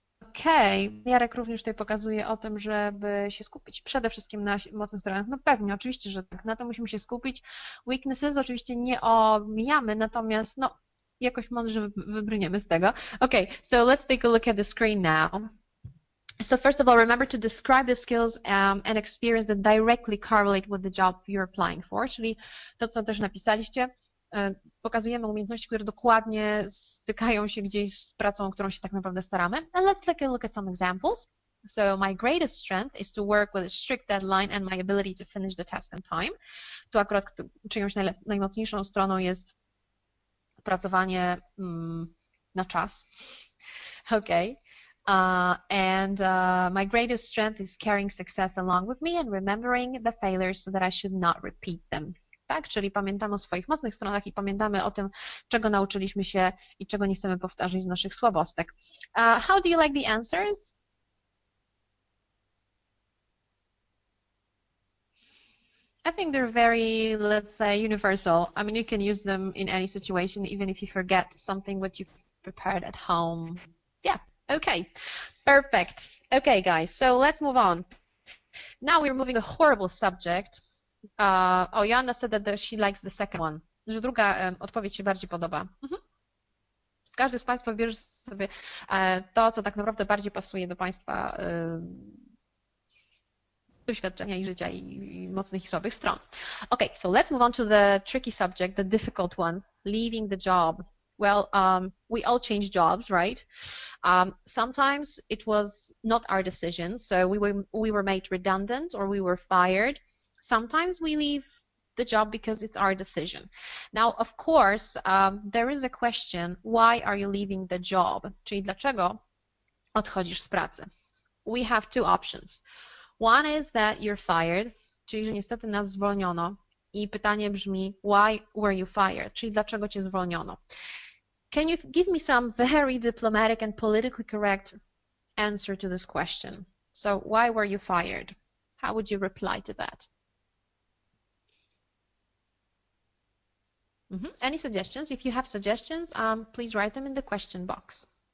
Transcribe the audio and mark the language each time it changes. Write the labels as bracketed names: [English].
[Polish] Okej, okay. Jarek również tutaj pokazuje o tym, żeby się skupić przede wszystkim na mocnych stronach. No pewnie, oczywiście, że tak, na to musimy się skupić. Weaknesses oczywiście nie omijamy, natomiast no, jakoś mądrze wybrniemy z tego. Okej, okay. [English] So let's take a look at the screen now. So first of all, remember to describe the skills and experience that directly correlate with the job you're applying for, [Polish] czyli to, co też napisaliście. Pokazujemy umiejętności, które dokładnie stykają się gdzieś z pracą, którą się tak naprawdę staramy. [English] And let's take a look at some examples. So my greatest strength is to work with a strict deadline and my ability to finish the task on time. [Polish] Tu akurat czyjąś najmocniejszą stroną jest pracowanie na czas. Okay. [English] My greatest strength is carrying success along with me and remembering the failures so that I should not repeat them. [Polish] Tak, czyli pamiętamy o swoich mocnych stronach i pamiętamy o tym, czego nauczyliśmy się i czego nie chcemy powtarzać z naszych słabostek. [English] How do you like the answers? I think they're very, let's say, universal. I mean, you can use them in any situation, even if you forget something what you've prepared at home. Yeah, okay, perfect. Okay, guys, so let's move on. Now we're moving to a horrible subject. Oh, Joanna said that she likes the second one, [Polish] że druga odpowiedź się bardziej podoba. [English] Mm-hmm. [Polish] Każdy z Państwa bierze sobie to, co tak naprawdę bardziej pasuje do Państwa doświadczenia i życia i mocnych i słabych stron. [English] Ok, so let's move on to the tricky subject, the difficult one, leaving the job. Well, we all change jobs, right? Sometimes it was not our decision, so we were made redundant or we were fired. Sometimes we leave the job because it's our decision. Now, of course, there is a question, why are you leaving the job? [Polish] Czyli dlaczego odchodzisz z pracy? [English] We have two options. One is that you're fired, [Polish] czyli że niestety nas zwolniono. I pytanie brzmi, [English] why were you fired? [Polish] Czyli dlaczego cię zwolniono? [English] Can you give me some very diplomatic and politically correct answer to this question? So, why were you fired? How would you reply to that? Mm-hmm. Any suggestions? If you have suggestions, please write them in the question box.